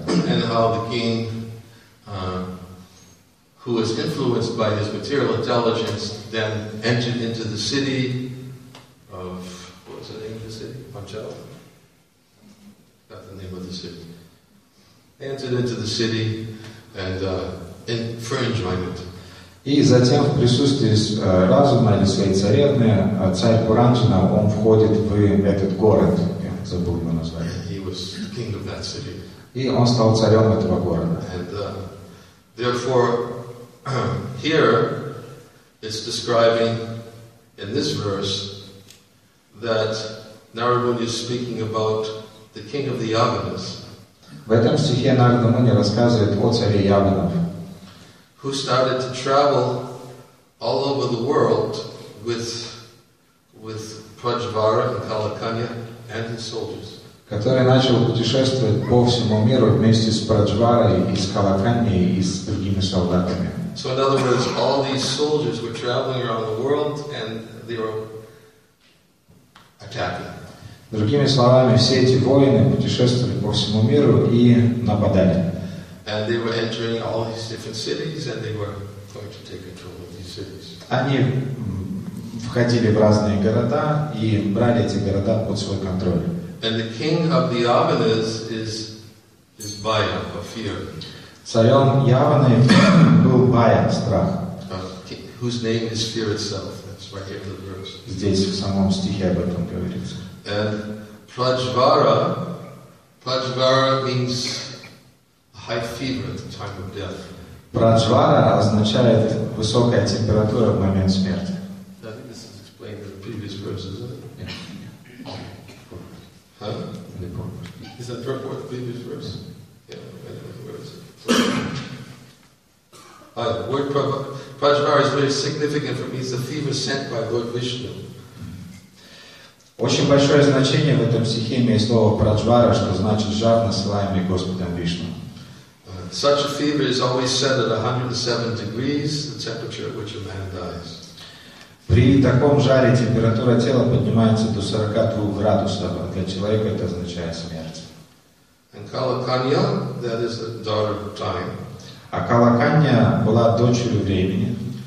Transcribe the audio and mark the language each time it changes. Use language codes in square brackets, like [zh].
[en] And how the king, who was influenced by his material intelligence, then entered into the city of, what was the name of the city? Panchal? Not the name of the city. Entered into the city and in for enjoyment. [ru] И затем в присутствии разума или своей царевны, царь Паранджана, он входит в этот город. Я забыл его название. [en] And he was the king of that city. [ru] И он стал царем этого города. [en] And therefore, here it's describing in this verse that Narada Muni is speaking about the king of the Yavanas. [ru] В этом стихе Нарада Муни рассказывает о царе Яванов. [en] Who started to travel all over the world with Prajvara and Kalakanya and his soldiers. [ru] Который начал путешествовать по всему миру вместе с Праджварой и с Калаканьей и с другими солдатами. [en] So in other words, all these soldiers were traveling around the world and they were attacking. [ru] Другими словами, все эти воины путешествовали по всему миру и нападали. [en] And they were entering all these different cities and they were going to take control of these cities. [ru] Они входили в разные города и брали эти города под свой контроль. [en] And the king of the Yavanas is Baya, of fear. [ru] Царем Яваны был Бая, страх. [en] whose name is fear itself. That's right here in the verse. [ru] Здесь в самом стихе об этом говорится. [en] And Prajvara means a high fever at the time of death. [ru] Prajvara означает высокая температура в момент смерти. [en] I think this is explained in the previous verse, isn't it? Yeah. Huh? Is that the fourth previous verse? Yeah, I don't know the words. The word Prajvara is very significant for me. It's a fever sent by Lord Vishnu. [ru] Очень большое значение в этом стихе имеет слово праджвара, что значит жар, насылаемый Господом Вишну. [en] Such a fever is always set at 107 degrees, the temperature at which a man dies. [ru] При таком жаре температура тела поднимается до 42 градусов, а для человека это означает смерть. [en] And Kalakanya, that is the daughter of time. [ru] А Калаканья была дочерью времени.